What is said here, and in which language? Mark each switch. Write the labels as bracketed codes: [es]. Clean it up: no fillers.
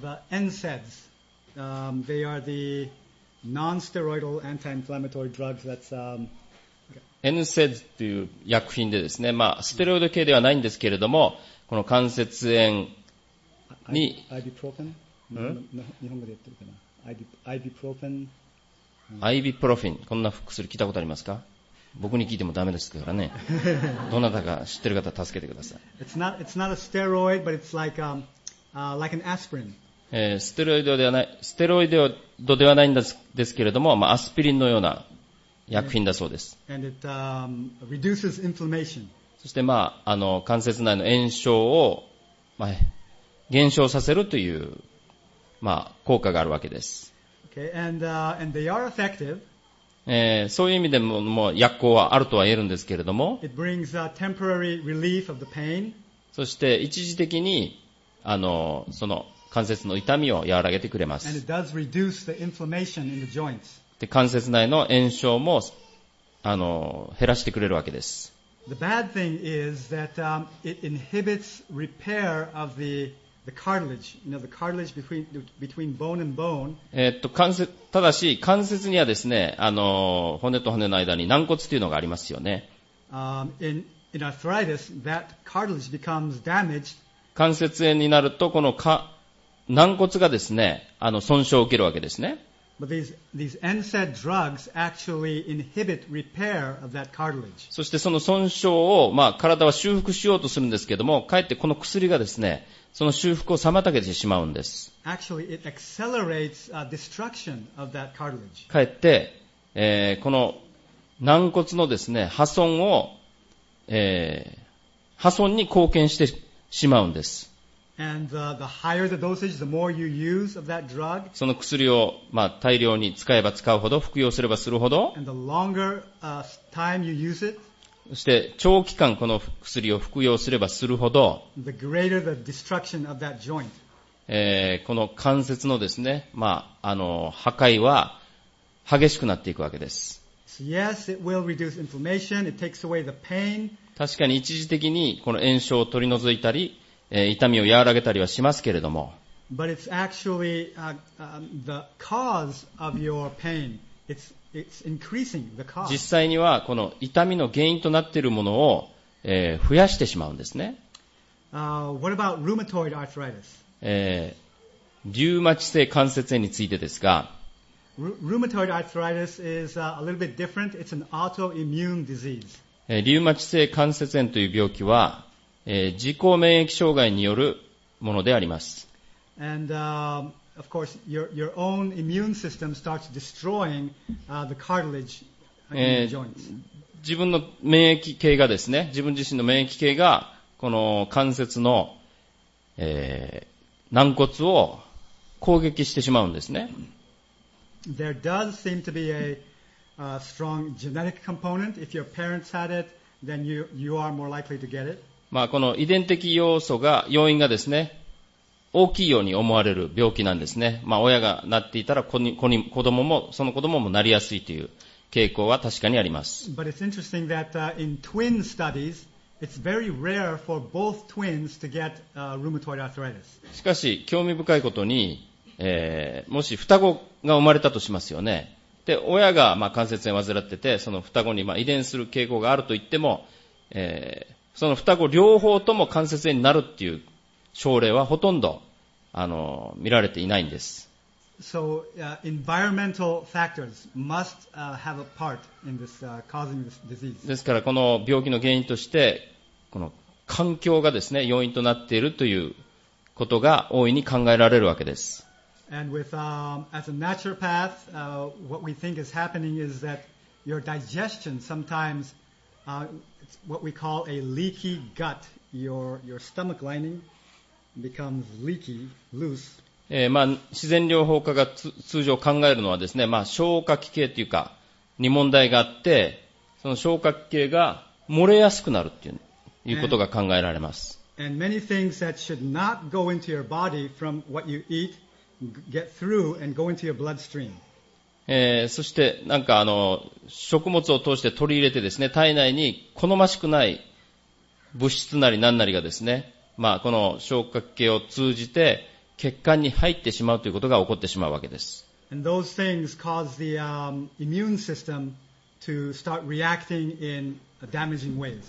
[en] NSAIDs、they are the non-steroidal anti-inflammatory drugs that's, [ja] NSAIDs という薬品でですね、まあ、ステロイド系ではないんですけれども、この関節炎、 [en] Ibuprofen? [ja] 日本語で言ってるかな。 [en] Ibuprofen? Ibuprofen? [ja] こんな薬聞いたことありますか？僕に聞いてもダメですからね。どなたか知ってる方助けてください。 [en] It's not a steroid, but it's like an aspirin. [ja] ステロイドではないんですけれども、まあ、アスピリンのような薬品だそうです。 [en] And it, reduces inflammation. [ja] そして、まあ、関節内の炎症を、まあ減少させるという、まあ、効果があるわけです。 [en] Okay. And, and they are effective. [ja] そういう意味でも、もう薬効はあるとは言えるんですけれども、 [en] It brings a temporary relief of the pain. [ja] そして一時的にその関節の痛みを和らげてくれます。 [en] And it does reduce the inflammation in the joints. [ja] で関節内の炎症も減らしてくれるわけです。 [en] The bad thing is that it inhibits repair of the cartilage, you know, the cartilage between bone and bone. [ja] 関節、ただし関節にはですね、骨と骨の間に軟骨というのがありますよね。 [en] In arthritis, that cartilage becomes damaged. [ja] 関節炎になるとこの軟骨がですね、損傷を受けるわけですね。 [en] But these NSAID drugs actually inhibit repair of that cartilage. [ja] そしてその損傷を、体は修復しようとするんですけども、かえってこの薬がですね、その修復を妨げてしまうんです。 [en] Actually, it accelerates destruction of that cartilage. [ja] かえって、この軟骨のですね、破損を、破損に貢献してしまうんです。 [en] And the higher the dosage, the more you use of that drug. [ja] その薬を、大量に使えば使うほど、服用すればするほど、 [en] And the longer, time you use it, [ja] そして長期間この薬を服用すればするほど、 [en] the greater the destruction of that joint. [ja] この関節のですね、破壊は激しくなっていくわけです。 [en] So yes, it will reduce inflammation. It takes away the pain. [ja] 確かに一時的にこの炎症を取り除いたり、痛みを和らげたりはしますけれども、 [en] But it's actually, the cause of your pain. It's increasing the cause. [ja] 実際にはこの痛みの原因となっているものを、増やしてしまうんですね。 [en] What about rheumatoid arthritis? [ja] リウマチ性関節炎についてですが、 [en] Rheumatoid arthritis is a little bit different. It's an autoimmune disease. [ja] リウマチ性関節炎という病気は自己免疫障害によるものであります。 [en] And, of course, your own immune system starts destroying, the cartilage in the joints. [ja] 自分の免疫系がですね、自分自身の免疫系が、この関節の、軟骨を攻撃してしまうんですね。 [en] There does seem to be a strong genetic component. If your parents had it, then you are more likely to get it. [ja] この遺伝的要因がですね、大きいように思われる病気なんですね。親がなっていたら子供もなりやすいという傾向は確かにあります。 [en] But it's interesting that in twin studies, it's very rare for both twins to get rheumatoid arthritis. [ja] しかし、興味深いことに、もし双子が生まれたとしますよね。で、親が関節炎を患ってて、その双子に遺伝する傾向があるといっても、その双子両方とも関節炎になるっていう症例はほとんど見られていないんです。 [en] So, environmental factors must have a part in this, causing this disease. [ja] ですからこの病気の原因としてこの環境がですね要因となっているということが大いに考えられるわけです。 [en] And with, as a naturopath, what we think is happening is that your digestion sometimes It's what we call a leaky gut. Your stomach lining becomes leaky, loose. [ja] 自然療法家が通常考えるのはですね、消化器系というか、に問題があって、その消化器系が漏れやすくなるっていう、いうことが考えられます。 [en] And many things that should not go into your body from what you eat get through and go into your bloodstream. [ja] そして食物を通して取り入れてですね、体内に好ましくない物質なり何なりがですね、この消化器を通じて血管に入ってしまうということが起こってしまうわけです。 [en] And those things cause the, immune system to start reacting in damaging ways.